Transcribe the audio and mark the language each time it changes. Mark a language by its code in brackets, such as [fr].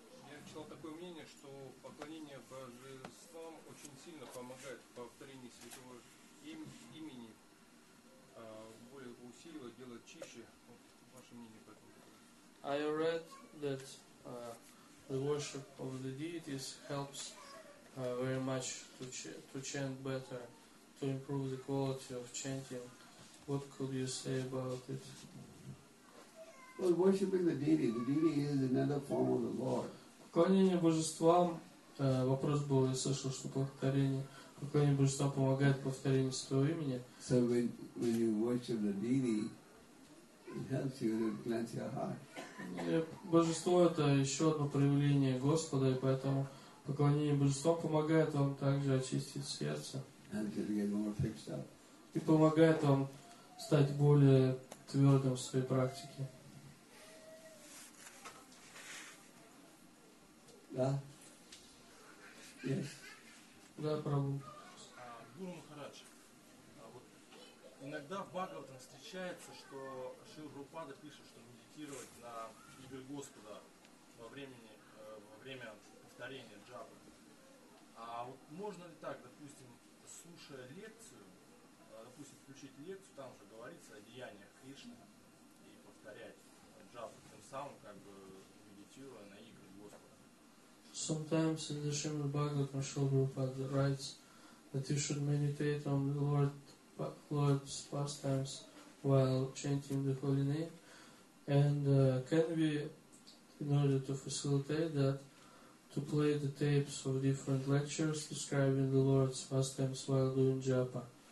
[ru] Я читал такое мнение, что поклонение божествам очень сильно помогает в повторении Святого Имени, более усиливает, делает чище. Вот ваше мнение по этому. [en] I read that the worship of the deities helps very much to chant better, to improve the quality of chanting. What could you say about it? Well, worshiping the deity. The deity is another form of the Lord. [ru] Поклонение божествам. Вопрос был, я слышал, что поклонение божествам помогает повторению Святого Имени. [en] So when you worship the deity, it helps you to cleanse your heart. [ru] Божество – это еще одно проявление Господа, и поэтому поклонение божествам помогает вам также очистить сердце. [en] And to get more fixed up. [ru] И помогает вам стать более твердым в своей практике. Да? [en] Yes. [ru] Да, Прабху. Гуру Махарадж, вот иногда в Бхагаватам встречается, что Шрила Прабхупада пишет, что медитировать на имя Господа во время повторения джапы. А вот можно ли так, допустим, слушая лекцию, допустим, включить лекцию, там же говорится о деяниях Кришны, и повторять джапу, тем самым как бы медитируя на игры Господа? [en] Sometimes in the Srimad Bhagavatam, Shrila Prabhupada writes that you should meditate on the Lord's pastimes while chanting the holy name. And can we, in order to facilitate that, to play the tapes of different lectures describing the Lord's pastimes while doing japa?